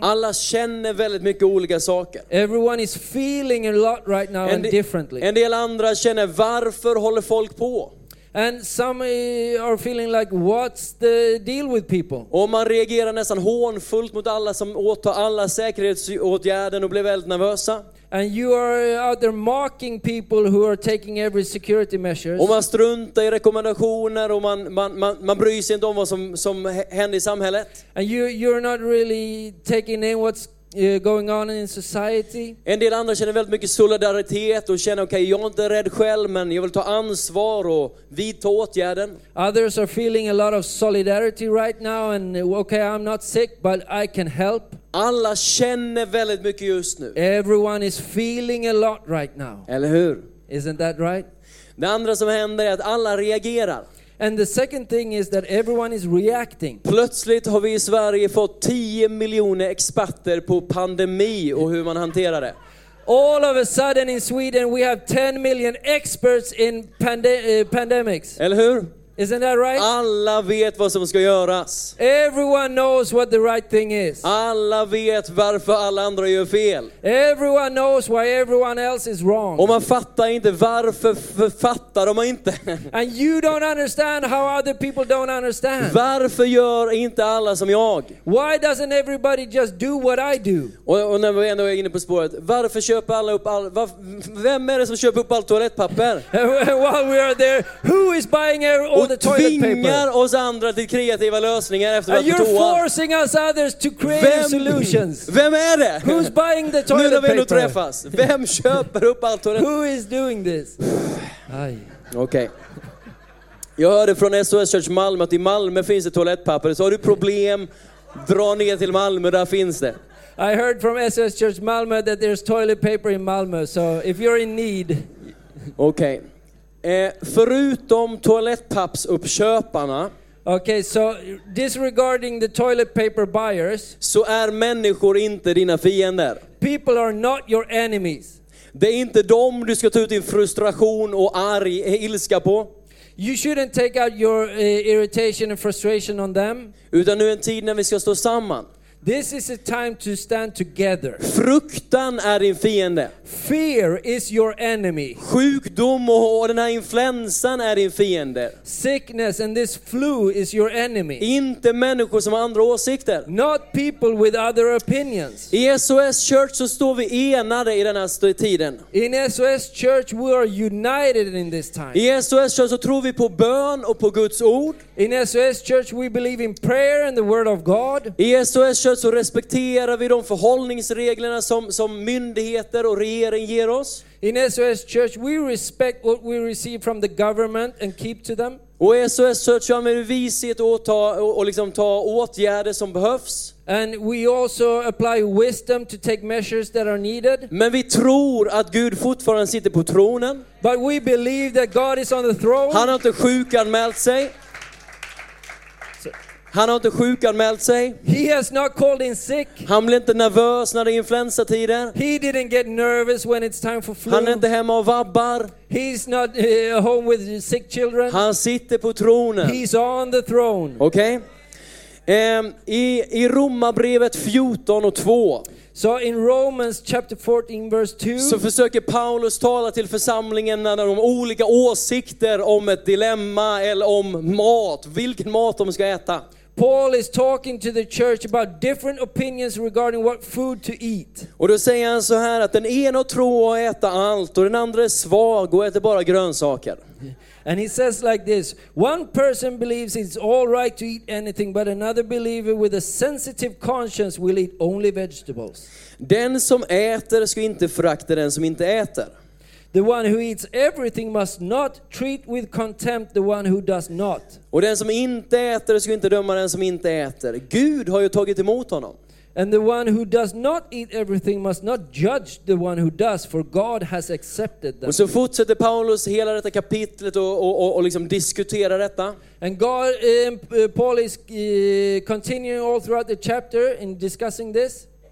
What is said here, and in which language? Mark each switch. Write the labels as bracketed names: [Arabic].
[Swedish] Alla känner väldigt mycket olika saker. [English] Everyone is feeling a lot right now and differently. [Swedish] En del andra känner varför håller folk på? [English] And some are feeling like, what's the deal with people? [Swedish] Och man reagerar nästan hånfullt mot alla som åtar alla säkerhetsåtgärder och blir väldigt nervösa. [English] And you are out there mocking people who are taking every security measure. [Swedish] Och man struntar i rekommendationer och man bryr sig inte om vad som händer i samhället. [English] And you're not really taking in what's going on in society. [Swedish] En del andra känner väldigt mycket solidaritet och känner okej, jag är inte rädd själv men jag vill ta ansvar och vidta åtgärden. [English] Others are feeling a lot of solidarity right now and okay, I'm not sick but I can help. [Swedish] Alla känner väldigt mycket just nu. [English] Everyone is feeling a lot right now. [Swedish] Eller hur? [English] Isn't that right? [Swedish] Det andra som händer är att alla reagerar. [English] And the second thing is that everyone is reacting. [Swedish] Plötsligt har vi i Sverige fått 10 miljoner experter på pandemi och hur man hanterar det. [English] All of a sudden in Sweden we have 10 million experts in pandemics. [Swedish] Eller hur? [English] Isn't that right? [Swedish] Alla vet vad som ska göras. [English] Everyone knows what the right thing is. [Swedish] Alla vet varför alla andra gör fel. [English] Everyone knows why everyone else is wrong. [Swedish] Och man fattar inte varför fattar de inte. [English] And you don't understand how other people don't understand. [Swedish] Varför gör inte alla som jag? [English] Why doesn't everybody just do what I do? [Swedish] Och när vi ändå är inne på spåret, varför köper alla upp all? Vem är det som köper upp all toalettpapper? [English] While we are there, who is buying all? [Swedish] Och tvingar oss andra till kreativa lösningar efter att [English] toa. Forcing us others to create solutions. [Swedish] Vem är det? [English] Who's buying the toilet paper? [Swedish] Nu när vi träffas. Vem köper upp allt toalett? [English] Who is doing this? Okej. Okay. [Swedish] Jag hörde från SOS Church Malmö att i Malmö finns det toalettpapper. Så har du problem, dra ner till Malmö, där finns det. [English] I heard from SOS Church Malmö that there's toilet paper in Malmö. So if you're in need. Okej. Okay. [Swedish] Förutom toalettpappsuppköparna. [English] Okay, so disregarding the toilet paper buyers. [Swedish] Så är människor inte dina fiender. [English] People are not your enemies. [Swedish] Det är inte dem du ska ta ut din frustration och ilska på. [English] You shouldn't take out your irritation and frustration on them. [Swedish] Utan nu är en tid när vi ska stå samman. [English] This is a time to stand together. [Swedish] Fruktan är din fiende. [English] Fear is your enemy. [Swedish] Sjukdom och den här influensan är din fiende. [English] Sickness and this flu is your enemy. [Swedish] Inte människor som har andra åsikter. [English] Not people with other opinions. [Swedish] I SOS Church så står vi enade i den här tiden. [English] In SOS Church we are united in this time. [Swedish] I SOS Church så tror vi på bön och på Guds ord. [English] In SOS Church we believe in prayer and the word of God. [Swedish] I SOS Church så respekterar vi de förhållningsreglerna som myndigheter och regering ger oss. [English] In SOS Church we respect what we receive from the government and keep to them. [Swedish] Och i SOS Church så använder vi visighet och liksom ta åtgärder som behövs. [English] And we also apply wisdom to take measures that are needed. [Swedish] Men vi tror att Gud fortfarande sitter på tronen. [English] But we believe that God is on the throne. [Swedish] Han har inte sjukanmält sig. Han har inte sjukanmält sig. [English] He has not called in sick. [Swedish] Han blev inte nervös när det är influensatider. [English] He didn't get nervous when it's time for flu. [Swedish] Han är inte hemma och vabbar. [English] He's not home with sick children. [Swedish] Han sitter på tronen. [English] He's on the throne. [Swedish] Okej. Okay. I Romarbrevet 14:2. [English] So in Romans chapter 14 verse 2. [Swedish] Så försöker Paulus tala till församlingen när de har olika åsikter om ett dilemma eller om mat, vilken mat de ska äta. [English] Paul is talking to the church about different opinions regarding what food to eat. [Swedish] Och då säger han så här att den ena tror att äta allt och den andra är svag och äter bara grönsaker. [English] And he says like this, one person believes it's all right to eat anything, but another believer with a sensitive conscience will eat only vegetables. [Swedish] Den som äter ska inte förakta den som inte äter. [English] The one who eats everything must not treat with contempt the one who does not. [Swedish] Och den som inte äter ska inte döma den som inte äter. Gud har ju tagit emot honom. [English] And the one who does not eat everything must not judge the one who does, for God has accepted them. [Swedish] Och så fortsätter Paulus hela detta kapitlet och liksom diskuterar detta. [English] And God, Paul is continuing all throughout the chapter in discussing this.